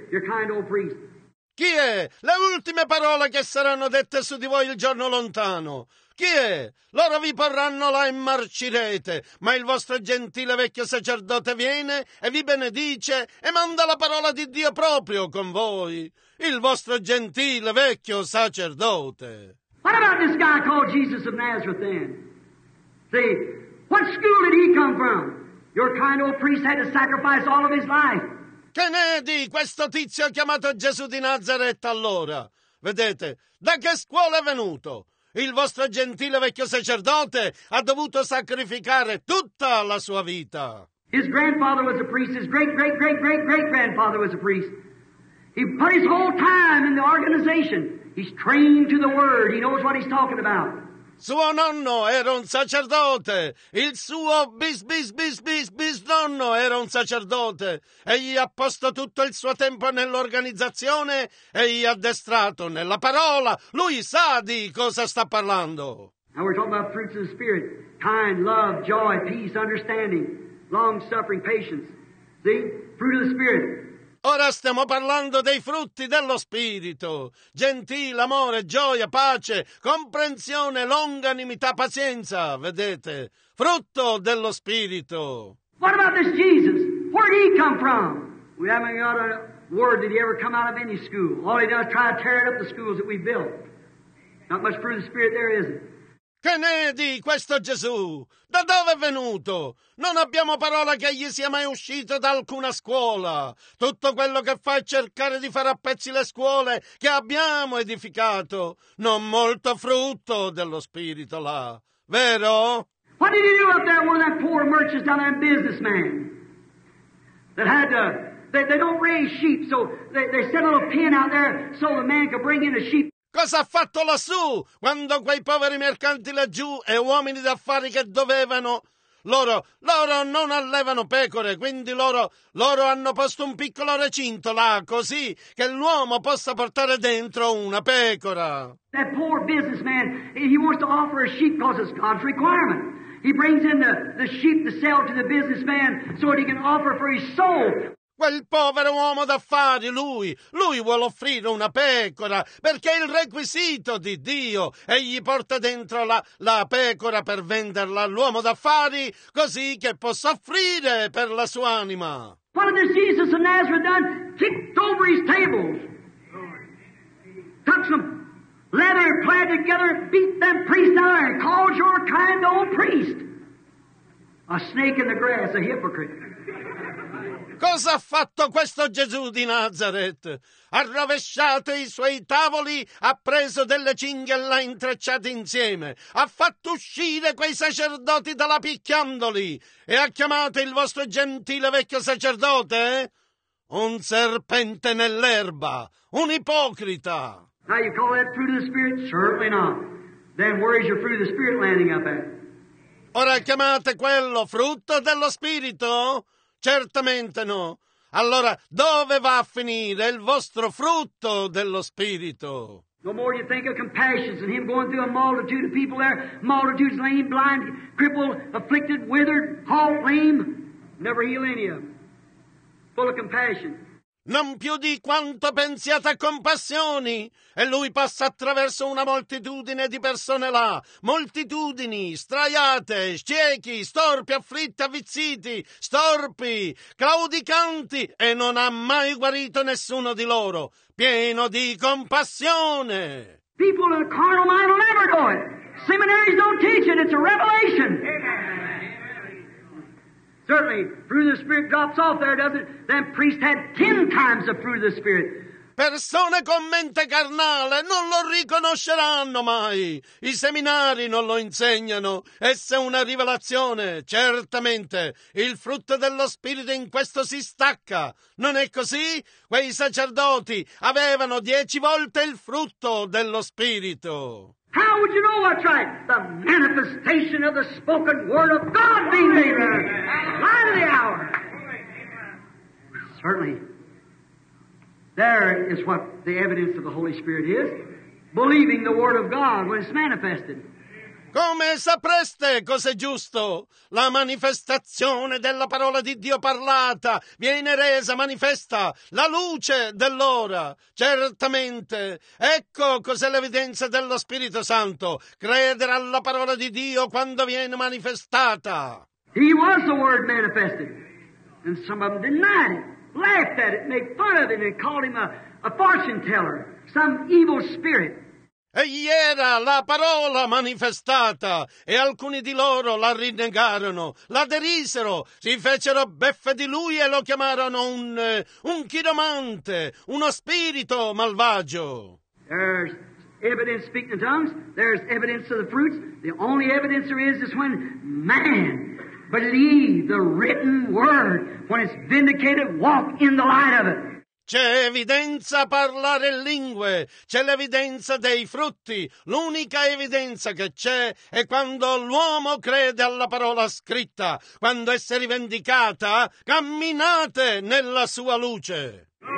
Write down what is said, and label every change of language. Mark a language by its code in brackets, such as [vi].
[en] Your kind old priest. [it] Chi è? Le ultime parole che saranno dette su di voi il giorno lontano. Chi è? Loro vi porranno là e marcirete, ma il vostro gentile vecchio sacerdote viene e vi benedice e manda la parola di Dio proprio con voi. Il vostro gentile vecchio sacerdote. [en] What about this guy called Jesus of Nazareth then? See, what school did he come from? Your kind old priest had to sacrifice all of his life. [it] Che ne è di questo tizio chiamato Gesù di Nazareth allora? Vedete, da che scuola è venuto? il vostro gentile vecchio sacerdote ha dovuto sacrificare tutta la sua vita. [en] His grandfather was a priest. His great great great great great grandfather was a priest. He put his whole time in the organization. He's trained to the word. He knows what he's talking about. [it] Suo nonno era un sacerdote. Il suo bisnonno era un sacerdote. Egli ha posto tutto il suo tempo nell'organizzazione e gli ha addestrato nella parola. Lui sa di cosa sta parlando. [en] Now we're talking about fruits of the Spirit. Kind, love, joy, peace, understanding, long-suffering, patience. See? Fruit of the Spirit. [it] Ora stiamo parlando dei frutti dello Spirito. Gentile, amore, gioia, pace, comprensione, longanimità, pazienza. Vedete? Frutto dello Spirito. [en] What about this Jesus? Where did he come from? We haven't got a word that he ever come out of any school. All he does is try to tear it up the schools that we built. Not much fruit of the Spirit there, is it? [it] Che ne è di questo Gesù? Da dove è venuto? Non abbiamo parola che egli sia mai uscito da alcuna scuola. Tutto quello che fa è cercare di fare a pezzi le scuole che abbiamo edificato. Non molto frutto dello Spirito là, vero? [en] What did he do up there, one of that poor merchants down there, that businessman? That had to, they don't raise sheep, so they set a little pen out there so the man could bring in the sheep. [it] Cosa ha fatto lassù quando quei poveri mercanti laggiù e uomini d'affari che dovevano? Loro non allevano pecore, quindi loro hanno posto un piccolo recinto là, così che l'uomo possa portare dentro una pecora. [en] That poor businessman, he wants to offer a sheep because it's God's requirement. He brings in the sheep to sell to the businessman so that he can offer for his soul. [it] Quel povero uomo d'affari, lui vuole offrire una pecora, perché è il requisito di Dio. Egli porta dentro la pecora per venderla all'uomo d'affari, così che possa offrire per la sua anima. [en] What did Jesus of Nazareth done? Kicked over his tables. Took some leather, clad together, beat them priests out and called your kind old priest. A snake in the grass, a hypocrite. [it] Cosa ha fatto questo Gesù di Nazareth? Ha rovesciato i suoi tavoli, ha preso delle cinghie e l'ha intrecciate insieme. Ha fatto uscire quei sacerdoti dalla picchiandoli e ha chiamato il vostro gentile vecchio sacerdote un serpente nell'erba, un ipocrita. [en] Now you call that fruit of the Spirit? Certainly not. Then where is your fruit of the Spirit landing up at? [it] Ora chiamate quello frutto dello Spirito? Certamente no. Allora, dove va a finire il vostro frutto dello Spirito? [en] No more you think of compassion and him going through a multitude of people there, multitudes lame, blind, crippled, afflicted, withered, halt, lame, never heal any of them. Full of compassion. [it] Non più di quanto pensiate a compassioni. E lui passa attraverso una moltitudine di persone là. Moltitudini, straiate, ciechi, storpi, afflitti, avvizziti, storpi, claudicanti. E non ha mai guarito nessuno di loro. Pieno di compassione. [en] People in a carnal mind will never do it. Seminaries don't teach it. It's a revelation. Certainly, fruit of the Spirit drops off there, doesn't it? That priest had 10 times the fruit of the Spirit. [it] Persone con mente carnale non lo riconosceranno mai. I seminari non lo insegnano. Essa è una rivelazione. Certamente, il frutto dello Spirito in questo si stacca. Non è così? Quei sacerdoti avevano 10 volte il frutto dello Spirito. [en] How would you know what's right? The manifestation of the spoken word of God being made there. Light of the hour. Certainly, there is what the evidence of the Holy Spirit is. Believing the word of God when it's manifested. [it] Come sapreste cos'è giusto? La manifestazione della parola di Dio parlata viene resa manifesta la luce dell'ora. Certamente, ecco cos'è l'evidenza dello Spirito Santo. Credere alla parola di Dio quando viene manifestata. [en] He was the word manifested. And some of them denied it, laughed at it, made fun of it, and called him a fortune teller, some evil spirit. [it] Egli era la parola manifestata, e alcuni di loro la rinnegarono, la derisero, si fecero beffe di lui e lo chiamarono un chiromante, uno spirito malvagio. [en] There's evidence speaking in tongues. There's evidence of the fruits. The only evidence there is when man believe the written word, when it's vindicated, walk in the light of it. [it] C'è evidenza parlare lingue, c'è l'evidenza dei frutti. L'unica evidenza che c'è è quando l'uomo crede alla parola scritta. Quando essa è rivendicata, camminate nella sua luce.